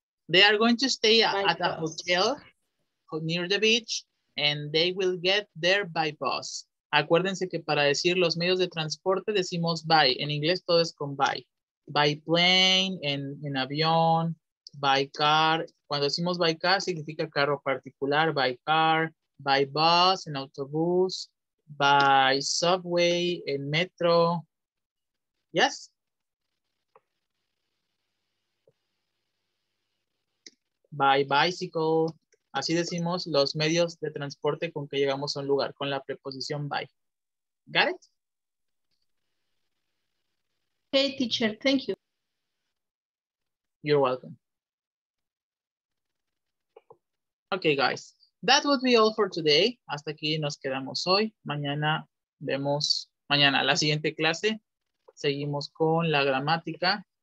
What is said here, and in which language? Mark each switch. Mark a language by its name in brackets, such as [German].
[English] They are going to stay at a hotel near the beach, and they will get there by bus. [Spanish] Acuérdense que para decir los medios de transporte decimos by. En inglés todo es con by. [English] By plane, [Spanish] en avión, [English] by car. [Spanish] Cuando decimos [English] by car [Spanish] significa carro particular, by car, [English] by bus, [Spanish] en autobús, [English] by subway, [Spanish] en metro. [English] Yes? By bicycle. [Spanish] Así decimos los medios de transporte con que llegamos a un lugar, con la preposición by. [English] Got it? Hey, teacher, thank you. You're welcome. Okay, guys, that would be all for today. [Spanish] Hasta aquí nos quedamos hoy. Mañana, la siguiente clase, seguimos con la gramática.